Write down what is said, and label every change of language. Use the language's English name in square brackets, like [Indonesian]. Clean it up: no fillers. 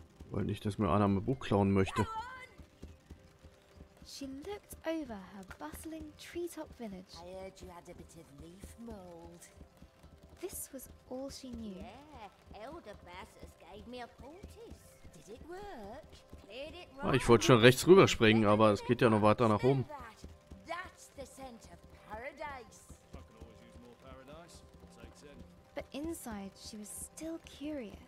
[German] Weil nicht, dass mir einer mein Buch klauen möchte. [English] She looked over her bustling treetop village. I heard you had a bit of leaf mold. This was all she knew. Yeah, Elder Bassus gave me a poultice. Did it work? Cleared it right. [German] Ich wollte schon rechts rüber springen, aber es geht ja noch weiter nach oben. [English] That's the scent of paradise. I can always use more paradise. Take 10. But inside she was still curious.